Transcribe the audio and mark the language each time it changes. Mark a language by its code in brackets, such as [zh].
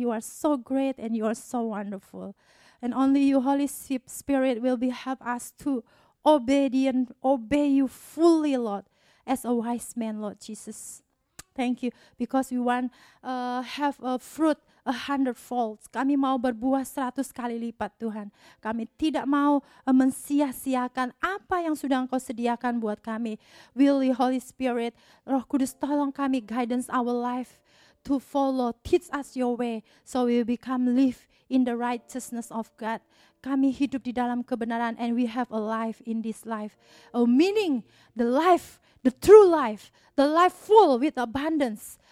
[en] You are so great and you are so wonderful. And only you, Holy Spirit, will be help us to obey you fully, Lord, as a wise man, Lord Jesus. Thank you, because we want to have a fruit 100-fold. [id] Kami mau berbuah 100 kali lipat, Tuhan. Kami tidak mau mensia-siakan apa yang sudah Engkau sediakan buat kami. [en] Willy, Holy Spirit, [id] Roh Kudus, tolong kami, [en] guidance our life to follow, teach us your way, so we become live in the righteousness of God. [id] Kami hidup di dalam kebenaran, [en] and we have a life in this life. A meaning, the life, the true life, the life full with abundance.